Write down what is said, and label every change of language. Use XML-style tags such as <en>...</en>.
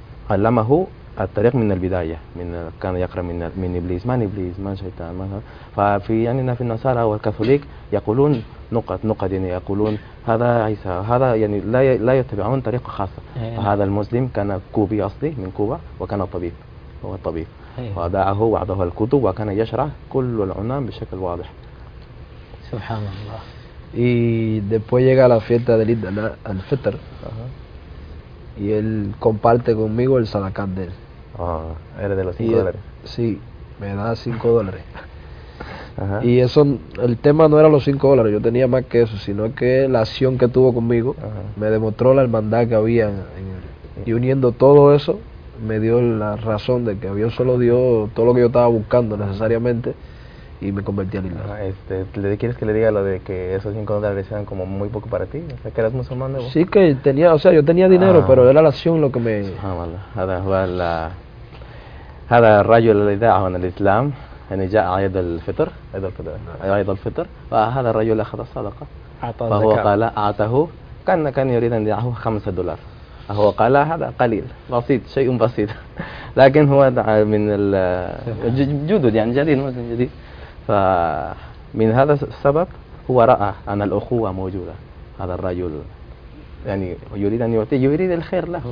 <ar>علمه الطريق من البداية من كان يقرأ من إبليس من إبليس من شيطان من ففي يعني في النصارى والكاثوليك يقولون نقد يعني يقولون هذا عيسى هذا يعني لا يتبعون طريقة خاصة فهذا المسلم كان كوبي أصلي من كوبا وكان الطبيب هو الطبيب ودعه وعده الكتب وكان يشرح كل العلماء بشكل واضح سبحان الله</ar> <es>y después llega la fiesta del Eid al Fitr y él comparte conmigo el zakat de él era de los 5 dólares sí me da 5 dólares Ajá. Y eso, el tema no era los 5 dólares, yo tenía más que eso, sino que la acción que tuvo conmigo Ajá. me demostró la hermandad que había en él. Y uniendo todo eso, me dio la razón de que Dios solo dio todo lo que yo estaba buscando necesariamente y me convertí al Islam. ¿Quieres que le diga lo de que esos 5 dólares eran como muy poco para ti? O sea, que eras musulmán de vos. Sí, que tenía, o sea, yo tenía dinero, Ajá. pero era la acción lo que me.</es> <ar>هذا الرجل الذي دعا عن الإسلام يعني جاء عيد الفطر عيد الفطر وهذا الرجل أخذ الصدقة فهو قال أعطه كان يريد أن يدعه 5 دولار هو قال هذا قليل بسيط شيء بسيط لكن هو دعا من الجدد يعني جديد مسلم جديد فمن هذا السبب هو رأى أن الأخوة موجودة هذا الرجل يعني يريد أن يعطي يريد الخير له</ar>